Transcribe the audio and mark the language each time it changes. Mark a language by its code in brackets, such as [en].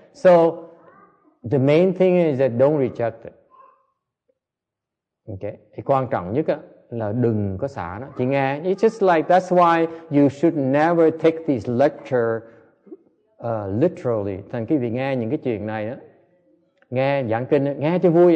[en] So the main thing is that don't reject it. Okay? [vi] Cái quan trọng nhất là đừng có xả nó. Chị nghe, [en] it's just like that's why you should never take this lecture literally. [vi] Thành quý vị nghe những cái chuyện này đó. Nghe giảng kinh nghe cho vui.